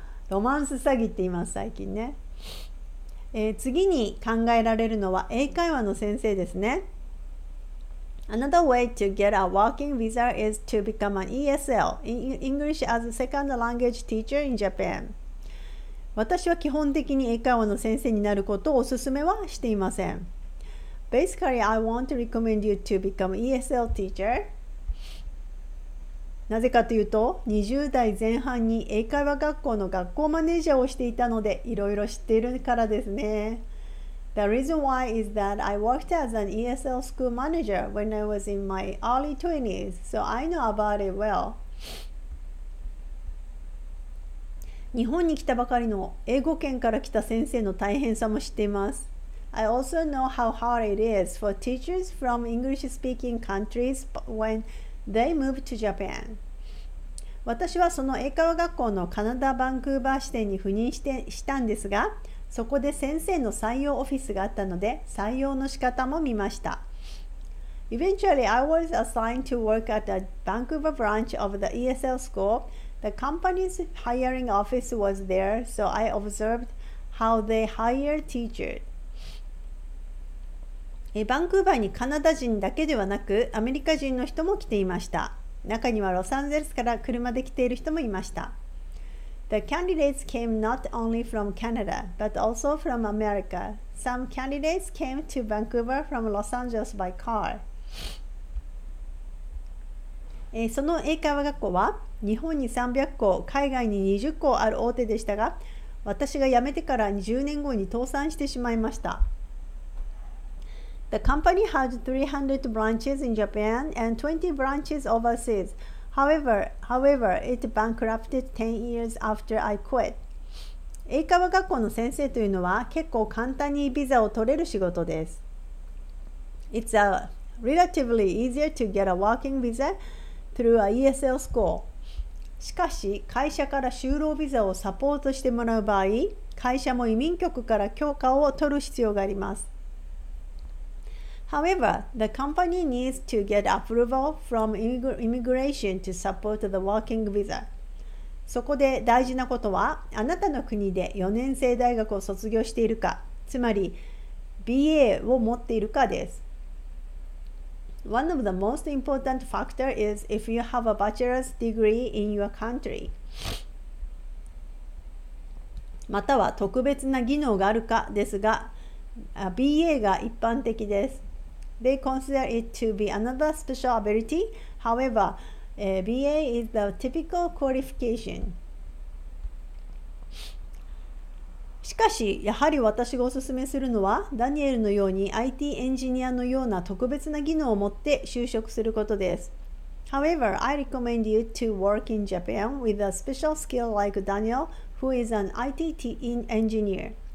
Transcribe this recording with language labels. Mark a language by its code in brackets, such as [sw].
[ja] ロマンス詐欺って言います、最近ね。次に考えられるのは英会話の先生ですね。 [en] Another way to get a working visa is to become an ESL, English as a second language teacher in Japan. [ja] 私は基本的に英会話の先生になることをお勧めはしていません。 [en] Basically, I want to recommend you to become ESL teacher. [ja] なぜかというと、20代前半に英会話学校の学校マネージャーをしていたので、いろいろ知っているからですね。 [en] The reason why is that I worked as an ESL school manager when I was in my early 20s, so I know about it well. [ja] 日本に来たばかりの英語圏から来た先生の大変さも知っています。 [en] I also know how hard it is for teachers from English-speaking countries when they move to Japan. [ja] 私はその英会話学校のカナダ・バンクーバー支店に赴任したんですが、そこで先生の採用オフィスがあったので、採用の仕方も見ました。 [en] Eventually, I was assigned to work at the Vancouver branch of the ESL school. The company's hiring office was there, so I observed how they hire teachers. [ja] バンクーバーにカナダ人だけではなく、アメリカ人の人も来ていました。中にはロサンゼルスから車で来ている人もいました。 [en] The candidates came not only from Canada, but also from America. Some candidates came to Vancouver from Los Angeles by car. [ja] その英会話学校は日本に300校、海外に20校ある大手でしたが、私が辞めてから10年後に倒産してしまいました。 [en] The company had 300 branches in Japan and 20 branches overseas. However, it bankrupted 10 years after I quit. [ja] 英会話学校の先生というのは結構簡単にビザを取れる仕事です。 [en] It's a relatively easier to get a working visa through a ESL school. [ja] しかし会社から就労ビザをサポートしてもらう場合、会社も移民局から許可を取る必要があります。 [en] However, the company needs to get approval from immigration to support the working visa. [ja] そこで大事なことは、あなたの国で4年制大学を卒業しているか、つまり BA を持っているかです。 [en] One of the most important factors is if you have a bachelor's degree in your country. [ja] または特別な技能があるかですが、BA が一般的です。 [en] They consider it to be another special ability. However, BA is the typical qualification. [ja] しかしやはり私がおすすめするのは、ダニエルのように IT エンジニアのような特別な技能を持って就職することです。 [en] However, I recommend you to work in Japan with a special skill like Daniel, who is an IT engineer.